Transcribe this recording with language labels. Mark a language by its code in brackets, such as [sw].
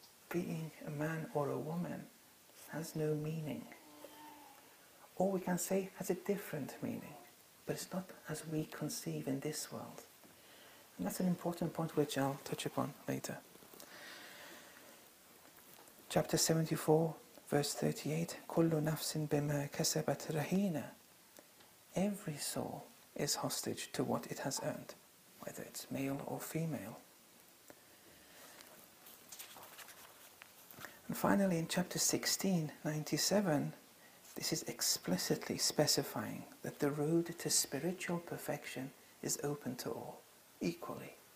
[en] Being a man or a woman has no meaning. Or we can say has a different meaning, but it's not as we conceive in this world. And that's an important point which I'll touch upon later. Chapter 74, verse 38, [ar] كُلُّ نَفْسٍ بِمَا كَسَبَتْ رَهِينَةٌ. [en] Every soul is hostage to what it has earned, whether it's male or female. And finally, in chapter 16, 97, this is explicitly specifying that the road to spiritual perfection is open to all, equally.